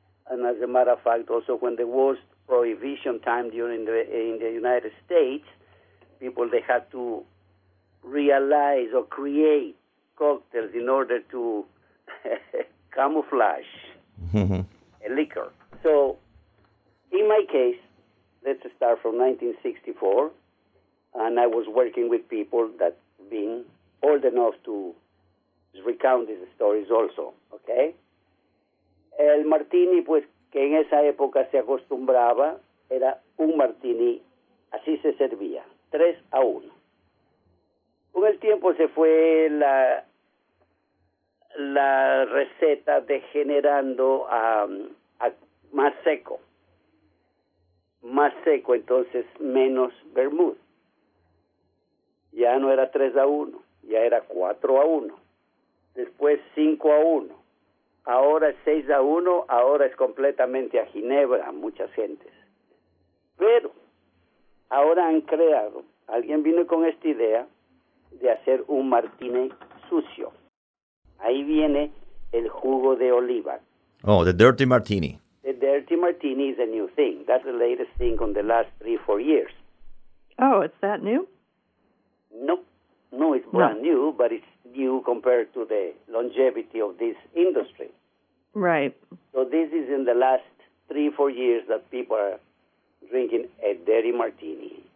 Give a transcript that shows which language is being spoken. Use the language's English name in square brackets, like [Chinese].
[English] And as a matter of fact, also when there was prohibition time during the in the United States, people, they had to realize or create cocktails in order to camouflage a liquor. So in my case, let's start from 1964, and I was working with people that been old enough to recount these stories also, okay? [Spanish] El martini, pues, que en esa época se acostumbraba, era un martini, así se servía, 3-1. Con el tiempo se fue la receta degenerando a más seco, entonces menos vermouth. Ya no era 3-1, ya era 4-1. Después 5-1. Ahora es 6-1, ahora es completamente a ginebra, muchas gentes. Pero ahora han creado, alguien vino con esta idea de hacer un martini sucio. Ahí viene el jugo de oliva. [English] Oh, the dirty martini. The dirty martini is a new thing. That's the latest thing on the last 3-4 years. Oh, is that new? No, it's brand new, but it's new compared to the longevity of this industry. Right. So this is in the last 3-4 years that people are drinking a dirty martini.